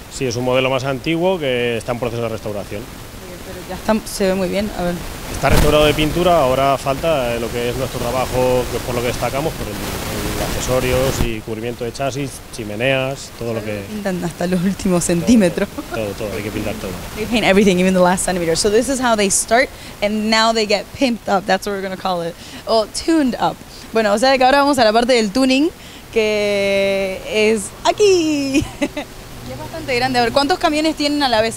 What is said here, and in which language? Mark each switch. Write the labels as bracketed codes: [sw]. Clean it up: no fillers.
[es] Sí, es un modelo más antiguo que está en proceso de restauración. Pero ya está, se ve muy bien, a ver. Está restaurado de pintura, ahora falta lo que es nuestro trabajo, que por lo que destacamos, por el accesorios y cubrimiento de chasis, chimeneas, todo lo que... Pintan hasta los últimos centímetros. Todo, hay que pintar todo. [en] They paint everything, even the last centimeter. So this is how they start, and now they get pimped up, that's what we're going to call it. Well, tuned up. [es] Bueno, o sea que ahora vamos a la parte del tuning, que es aquí. Y es bastante grande. A ver, ¿cuántos camiones tienen a la vez?